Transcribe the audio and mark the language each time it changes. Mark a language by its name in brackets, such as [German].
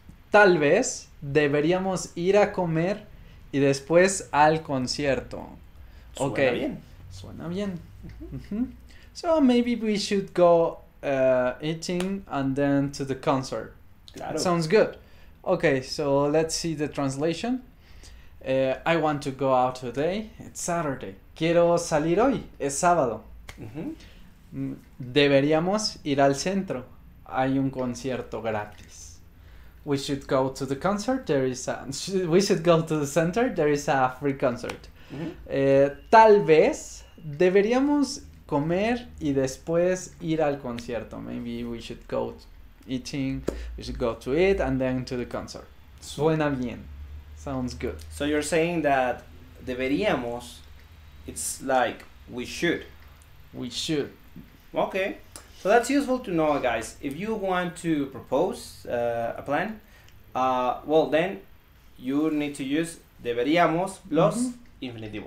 [Spanish] tal vez deberíamos ir a comer y después al concierto. Suena okay. Bien. Suena bien. Mm-hmm. [English] So maybe we should go eating and then to the concert. [Spanish] Claro. [English] Sounds good. Okay, so let's see the translation. I want to go out today. It's Saturday. [Spanish] Quiero salir hoy. Es sábado. Mm-hmm. Deberíamos ir al centro. Hay un concierto gratis. [English] We should go to the concert. There is a free concert. Mm-hmm. [Spanish] Tal vez deberíamos comer y después ir al concierto. [English] Maybe we should go eating. We should go to eat and then to the concert. [Spanish] Suena bien. [English] Sounds good. So you're saying that deberíamos, it's like we should. We should. Okay, so that's useful to know, guys. If you want to propose a plan, well, then you need to use deberíamos plus infinitivo.